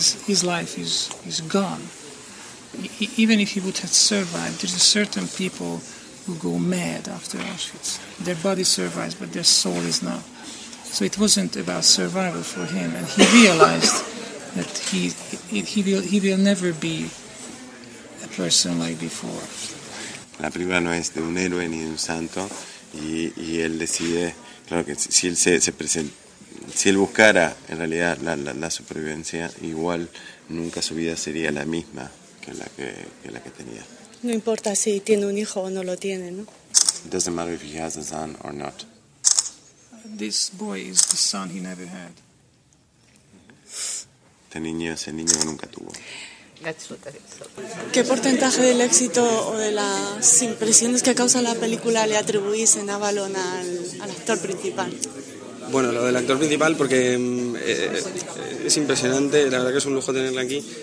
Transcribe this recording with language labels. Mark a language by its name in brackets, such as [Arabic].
[English] His life is gone. Even if he would have survived, there's a certain people who go mad after Auschwitz. Their body survives, but their soul is not. So it wasn't about survival for him. And he realized that he will never be a person like before. [Spanish] La película no es de un héroe ni de un santo, y él decide, claro que si él se presenta. Si él buscara en realidad la supervivencia, igual nunca su vida sería la misma que la que tenía. No importa si tiene un hijo o no lo tiene, ¿no? [English] It doesn't matter if he has a son or not. This boy is the son he never had. [Spanish] Este niño es el niño que nunca tuvo. ¿Qué porcentaje del éxito o de las impresiones que causa la película le atribuís en Avalon al actor principal? Bueno, lo del actor principal, porque es impresionante, la verdad que es un lujo tenerla aquí.